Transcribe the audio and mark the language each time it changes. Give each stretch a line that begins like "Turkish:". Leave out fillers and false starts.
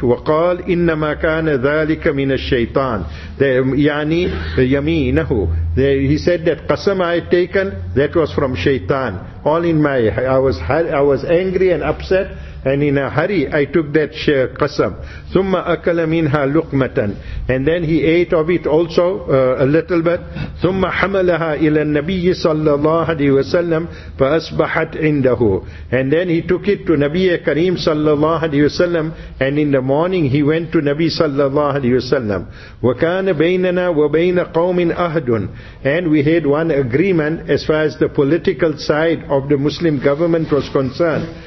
Arabic: وَقَالْ إِنَّمَا كَانَ ذَلِكَ مِنَ الشَّيْطَانِ يَعْنِي يَمِينَهُ.
English: He said that qasam I had taken, that was from shaitan. All in my, I was angry and upset, and in a hurry I took that qasam.
Arabic: ثم أكل منها لقمة.
English: And then he ate of it also a little bit.
Arabic: ثم حملها إلى النبي صلى الله عليه وسلم فأصبحت عنده.
English: And then he took it to Nabi Kareem صلى الله عليه وسلم. And in the morning he went to Nabi صلى الله عليه وسلم.
Arabic: وكان بيننا وبين قوم أهد.
English: And we had one agreement as far as the political side of the Muslim government was concerned.